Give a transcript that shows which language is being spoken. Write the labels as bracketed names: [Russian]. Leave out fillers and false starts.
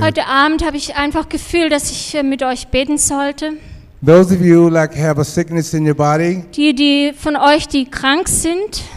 [German] Heute Abend habe ich einfach gefühlt, dass ich mit euch beten sollte. [English] Those of you like have a sickness in your body. [German] Die von euch, die krank sind.